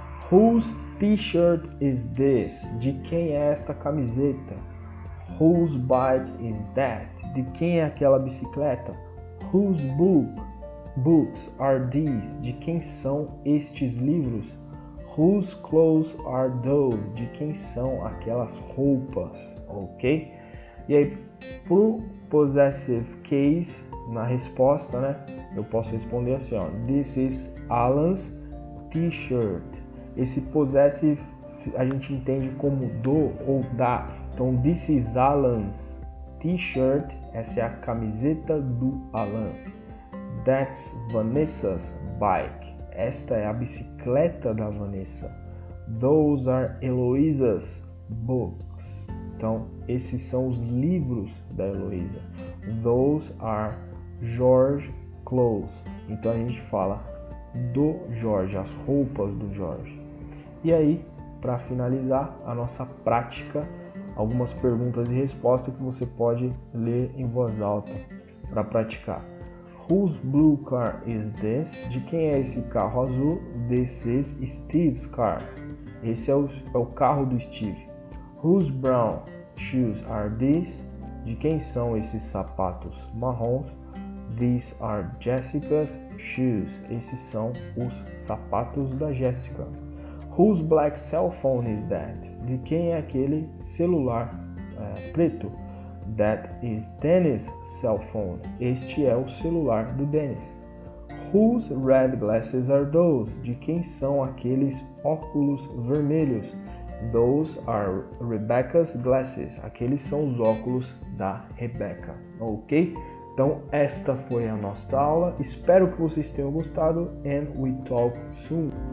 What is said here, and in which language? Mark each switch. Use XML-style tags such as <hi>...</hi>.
<en>Whose t-shirt is this?</en> <pt>De quem é esta camiseta?</pt> <en>Whose bike is that?</en> <pt>De quem é aquela bicicleta?</pt> <en>Whose books are these?</en> <pt>De quem são estes livros?</pt> <en>Whose clothes are those?</en> <pt>De quem são aquelas roupas, ok? E aí, pro possessive case, na resposta, né, eu posso responder assim, ó:</pt> <en>this is Alan's t-shirt.</en> <pt>Esse possessive a gente entende como do ou da. Então,</pt> <en>this is Alan's t-shirt,</en> <pt>essa é a camiseta do Alan.</pt> <en>That's Vanessa's bike,</en> <pt>esta é a bicicleta da Vanessa.</pt> <en>Those are Eloisa's books.</en> <pt>Então, esses são os livros da Heloísa.</pt> <en>Those are George's clothes.</en> <pt>Então, a gente fala do George, as roupas do George. E aí, para finalizar a nossa prática, algumas perguntas e respostas que você pode ler em voz alta para praticar.</pt> <en>Whose blue car is this?</en> <pt>De quem é esse carro azul?</pt> <en>This is Steve's car.</en> <pt>Esse é o carro do Steve.</pt> <en>Whose brown shoes are these?</en> <pt>De quem são esses sapatos marrons?</pt> <en>These are Jessica's shoes.</en> <pt>Esses são os sapatos da Jessica.</pt> <en>Whose black cell phone is that?</en> <pt>De quem é aquele celular preto?</pt> <en>That is Dennis' cell phone.</en> <pt>Este é o celular do Dennis.</pt> <en>Whose red glasses are those?</en> <pt>De quem são aqueles óculos vermelhos?</pt> <en>Those are Rebecca's glasses.</en> <pt>Aqueles são os óculos da Rebecca. Ok? Então, esta foi a nossa aula. Espero que vocês tenham gostado.</pt> <en>And we talk soon.</en>